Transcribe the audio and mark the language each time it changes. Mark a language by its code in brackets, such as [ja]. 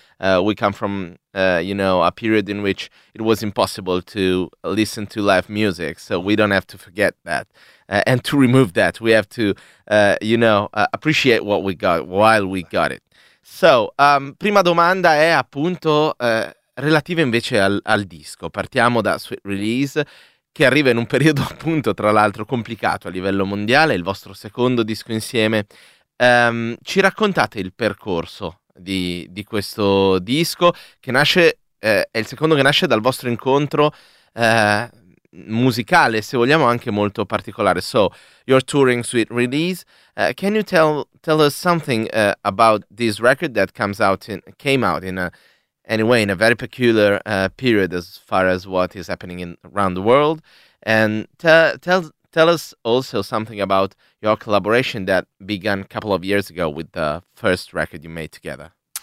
[en] We come from, you know, a period in which it was impossible to listen to live music, so we don't have to forget that. And to remove that, we have to, you know, appreciate what we got while we got it. [it] So, prima domanda è appunto relativa invece al disco. Partiamo da Sweet Release, che arriva in un periodo appunto, tra l'altro, complicato a livello mondiale, il vostro secondo disco insieme. Ci raccontate il percorso di questo disco che nasce, è il secondo che nasce dal vostro incontro musicale, se vogliamo anche molto particolare. [en] So you're touring Sweet Release, can you tell us something about this record that comes out in came out in a very peculiar period as far as what is happening in around the world, and tell us also something about your collaboration that began a couple of years ago with the first record you made together.